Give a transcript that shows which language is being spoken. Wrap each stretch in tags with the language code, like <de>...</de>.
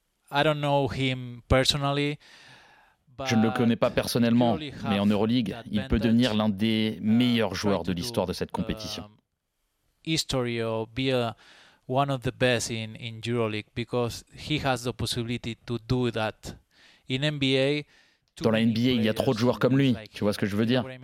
<en>I don't know him personally.</en> <fr>Je ne le connais pas personnellement, mais en Euroleague, il peut devenir l'un des meilleurs joueurs de l'histoire de cette compétition.</fr> <en>History or be one of the best in Euroleague because he has the possibility to do that. In NBA,</en> <fr>dans la NBA, il y a trop de joueurs comme lui. Tu vois ce que je veux dire?</fr>